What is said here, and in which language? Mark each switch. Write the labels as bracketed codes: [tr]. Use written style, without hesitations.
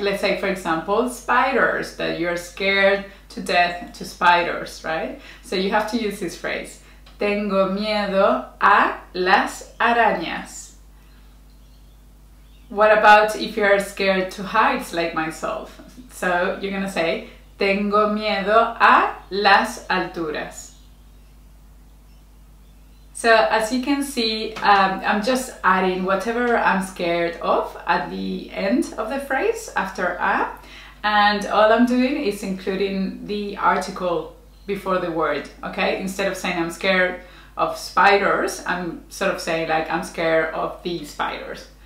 [en] Let's say, for example, spiders, that you're scared to death to spiders, right? So you have to use this phrase. [es] Tengo miedo a las arañas. [en] What about if you're scared to heights like myself? So you're gonna say, [es] tengo miedo a las alturas. [en] So as you can see, I'm just adding whatever I'm scared of at the end of the phrase after a, and all I'm doing is including the article before the word, okay? Instead of saying I'm scared of spiders, I'm sort of saying like I'm scared of the spiders.